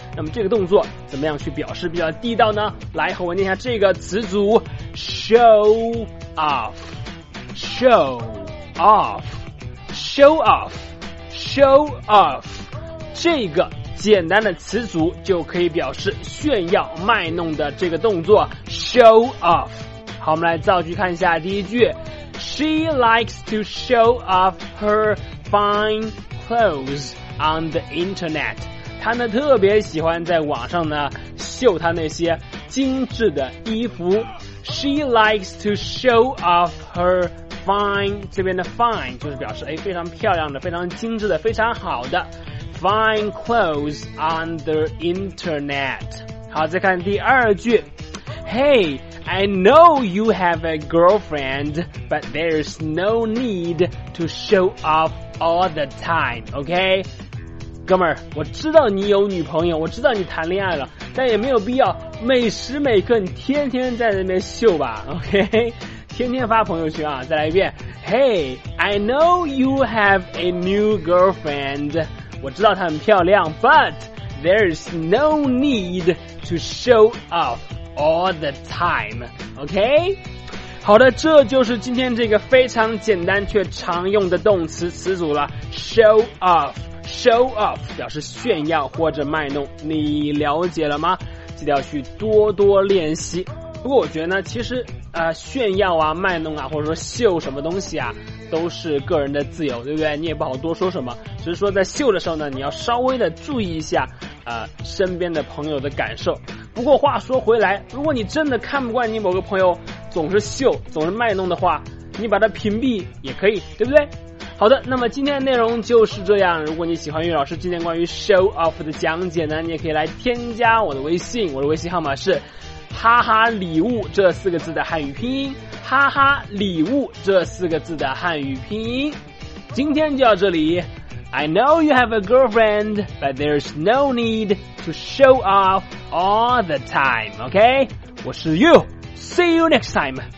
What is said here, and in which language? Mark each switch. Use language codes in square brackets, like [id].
[zh] 那么这个动作怎么样去表示比较地道呢？来和我念一下这个词组 show off show off show off show off，这个简单的词组就可以表示炫耀卖弄的这个动作 show off。好，我们来造句看一下。 [en] 第一句， She likes to show off her fine clothes on the internet。 [zh] 她呢特别喜欢在网上呢秀她那些精致的衣服。 [en] She likes to show off her fine， [zh] 这边的 fine 就是表示非常漂亮的，非常精致的，非常好的 [en] Fine clothes on the internet。好，再看第二句， Hey, I know you have a girlfriend, but there's no need to show off all the time, OK? [zh] 哥们儿，我知道你有女朋友，我知道你谈恋爱了，但也没有必要每时每刻你天天在那边秀吧， OK? 天天发朋友圈啊。 [en] 再来一遍， Hey, I know you have a new girlfriend, [zh] 我知道她很漂亮， [en] but there is no need to show off all the time, OK? [zh] 好的，这就是今天这个非常简单却常用的动词词组了， show off, show off 表示炫耀或者卖弄，你了解了吗？记得要去多多练习。不过我觉得呢，其实炫耀啊、卖弄啊，或者说秀什么东西啊，都是个人的自由，对不对？你也不好多说什么，只是说在秀的时候呢，你要稍微的注意一下身边的朋友的感受。不过话说回来，如果你真的看不惯你某个朋友总是秀、总是卖弄的话，你把它屏蔽也可以，对不对？好的，那么今天的内容就是这样。如果你喜欢玉老师今天关于 show off 的讲解呢，你也可以来添加我的微信，我的微信号码是哈哈礼物这四个字的汉语拼音，哈哈礼物这四个字的汉语拼音。今天就到这里。 [en] I know you have a girlfriend, but there's no need to show off all the time, OK? [zh] 我是 [en] You, see you next time.